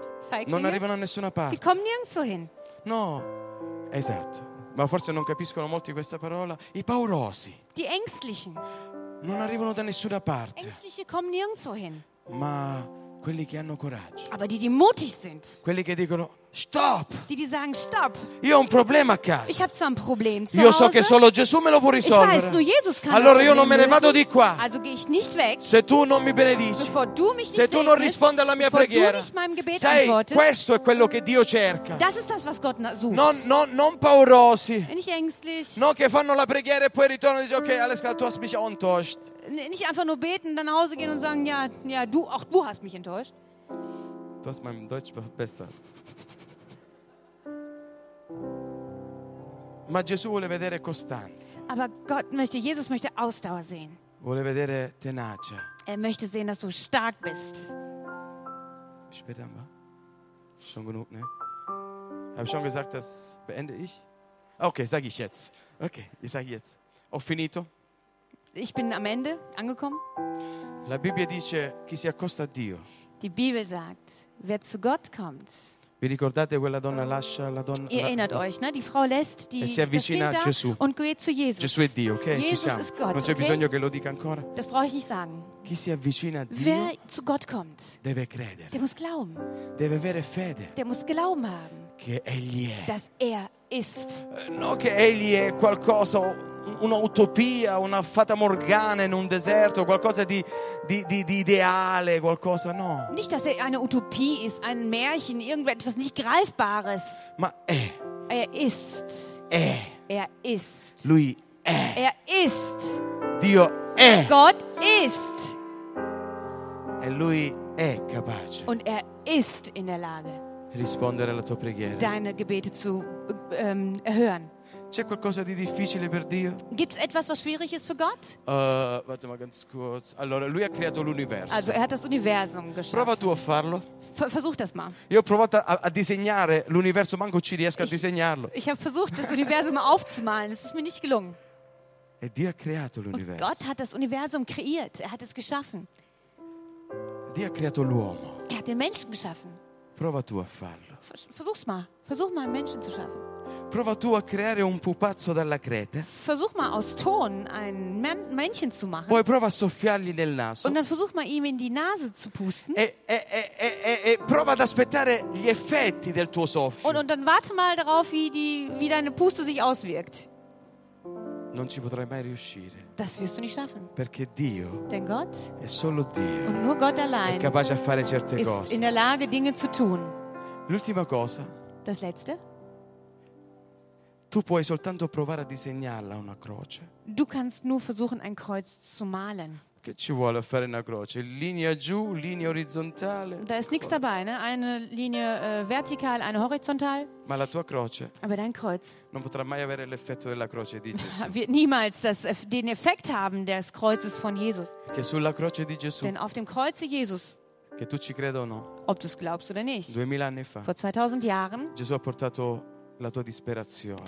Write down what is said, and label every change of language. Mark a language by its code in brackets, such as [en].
[de] Die kommen nirgendwo hin. [it] No, esatto. Ma forse non capiscono molti questa parola. I paurosi. [de] Die Ängstlichen. [it] Non arrivano da nessuna parte. [de] Ängstliche kommen nirgendwo hin. [it] Ma quelli che hanno coraggio. [de] Aber die mutig sind. [it] Quelli che dicono stop. [de] Die sagen stop. [it] Io ho un problema a casa. [de] Ich habe zwar ein Problem zu [it] io [de] Hause, [it] so che solo Gesù me lo può risolvere. [de] Ich weiß, nur Jesus kann [it] allora io non me ne vado di qua. [de] Also gehe ich nicht weg. [it] Se tu non mi benedici. [de] Bevor du mich [it] se tu non rispondi alla mia preghiera. [de] Du nicht meinem Gebet [it] sai, [de] antwortest. [it] Questo è quello che Dio cerca. [de] Das ist das, was Gott sucht. [it] Non paurosi. [de] Nicht ängstlich. [it] No, che fanno la preghiera e poi ritornano e dicono ok, [de] alles klar, tu hast mich enttäuscht. Nicht einfach nur beten, dann nach Hause gehen und sagen ja, ja, du auch du hast mich enttäuscht. Du hast mein Deutsch verbessert. [it] Ma Gesù vuole vedere costanza. [de] Aber Gott möchte, Jesus möchte Ausdauer sehen. [it] Vuole vedere tenacia. [de] Er möchte sehen, dass du stark bist. Später mal. Schon genug, ne? Habe schon gesagt, das beende ich. Okay, sage ich jetzt. Okay, ich sage jetzt. [it] Ho finito. [de] Ich bin am Ende angekommen. [it] La Bibbia dice chi si accosta a Dio. [de] Die Bibel sagt, wer zu Gott kommt. [it] Vi ricordate quella donna lascia la donna? [de] Ihr erinnert euch, ne? Die Frau lässt die [it] e si avvicina a Gesù. [de] Und geht zu Jesus. [it] Gesù è Dio, ok? [de] Jesus [it] ci siamo. [de] Ist Gott, [it] non c'è okay? Bisogno che lo dica ancora. [de] Das brauche ich nicht sagen. [it] Chi si avvicina a Dio? [de] Wer zu Gott kommt, [it] deve credere. [de] Der muss glauben. [it] Deve avere fede. [de] Der muss Glauben haben. [it] Che egli è. [de] Dass er ist. [it] No, che egli è qualcosa, un'utopia, una fata morgana in un deserto, qualcosa di ideale, qualcosa, no. [de] Nicht, dass er eine Utopie ist, ein Märchen, irgendetwas nicht Greifbares. [it] Ma è. [de] Er ist. [it] È. [de] Er ist. [it] Lui è. [de] Er ist. [it] Dio è. [de] Gott ist. [it] E lui è capace. [de] Und er ist in der Lage. [it] Rispondere alla tua preghiera. [de] Deine Gebete zu erhören. [it] C'è qualcosa di difficile per Dio? [de] Gibt's etwas, was schwierig ist für Gott? Warte mal ganz kurz. [it] Allora, lui ha creato l'universo. [de] Also, er hat das Universum geschaffen. [it] Prova tu a farlo. [de] Versuch das mal. [it] Io ho provato a disegnare l'universo, manco ci riesco a disegnarlo. [de] Ich habe versucht, das Universum aufzumalen. Es ist mir nicht gelungen. [it] E Dio ha creato l'universo. [de] Und Gott hat das Universum kreiert. Er hat es geschaffen. [it] Dio ha creato l'uomo. [de] Er hat den Menschen geschaffen. [it] Prova tu a farlo. [de] Versuch's mal. Versuch mal, einen Menschen zu schaffen. [it] Prova tu a creare un pupazzo dalla crete. [de] Versuch mal aus Ton ein Männchen zu machen. [it] Poi prova a soffiargli nel naso. [de] Und dann versuch mal ihm in die Nase zu pusten. [it] E prova ad aspettare gli effetti del tuo soffio. [de] Und dann warte mal darauf, wie deine Puste sich auswirkt. [it] Non ci potrai mai riuscire. [de] Das wirst du nicht schaffen. [it] Perché Dio. [de] Denn Gott. [it] È solo Dio. [de] Und nur Gott allein. [it] È capace a fare certe cose. [de] In der Lage Dinge zu tun. [it] L'ultima cosa. [de] Das letzte. [it] Tu puoi soltanto provare a disegnarla una croce. [de] Du kannst nur versuchen ein Kreuz zu malen. [it] Che ci vuole fare una croce? Linea giù, linea orizzontale. [de] Da ist nichts dabei, ne? Eine Linie vertikal, eine horizontal. [it] Ma la tua croce. [de] Aber dein Kreuz. [it] Non potrà mai avere l'effetto della croce di Gesù. [de] Wird niemals den Effekt haben des Kreuzes von Jesus. [it] Che sulla croce di Gesù. [de] Denn auf dem Kreuz Jesus. [it] Che tu ci creda o no. [de] Ob du es glaubst oder nicht. [it] 2000 anni fa. [de] Vor 2000 Jahren. [it] Gesù ha portato la tua disperazione.